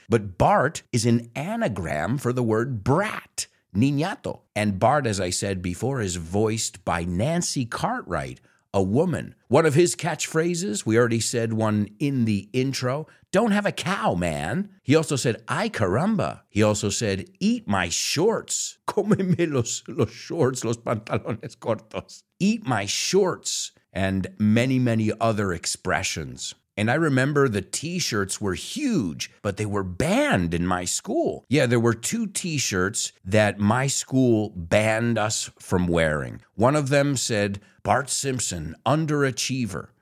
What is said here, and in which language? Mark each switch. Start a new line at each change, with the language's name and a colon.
English: But Bart is an anagram for the word brat, niñato. And Bart, as I said before, is voiced by Nancy Cartwright, a woman. One of his catchphrases, we already said one in the intro, don't have a cow, man. He also said, ay caramba. He also said, eat my shorts.
Spanish: Cómeme los shorts, los pantalones cortos.
English: Eat my shorts. And many, many other expressions. And I remember the t-shirts were huge, but they were banned in my school. Yeah, there were two t-shirts that my school banned us from wearing. One of them said, Bart Simpson, underachiever.